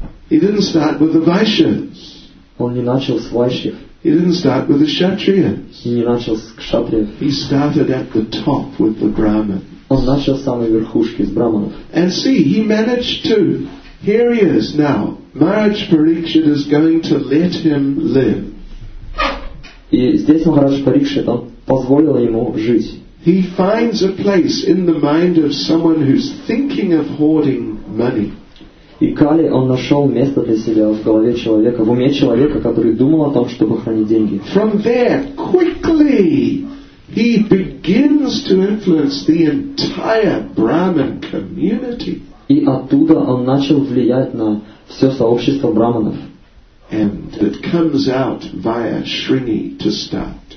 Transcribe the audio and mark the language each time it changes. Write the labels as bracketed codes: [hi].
[en] He didn't start with the Vaishyas. [ru] Он не начал с вайшьев. [en] He didn't start with the Kshatriyas. [ru] И не начал с кшатриев. [en] He started at the top with the Brahmin. [ru] Он начал с самой верхушки, с браманов. [en] And see, he managed to. Here he is now. Maharaj Parikshit is going to let him live. [ru] И здесь Махарадж Парикшит, он позволил ему жить. [en] He finds a place in the mind of someone who's thinking of hoarding money. [ru] И Кали, он нашел место для себя в голове человека, в уме человека, который думал о том, чтобы хранить деньги. [en] From there, quickly, he begins to influence the entire Brahmin community. [ru] И оттуда он начал влиять на все сообщество браманов. [en] And it comes out via Shringi to start.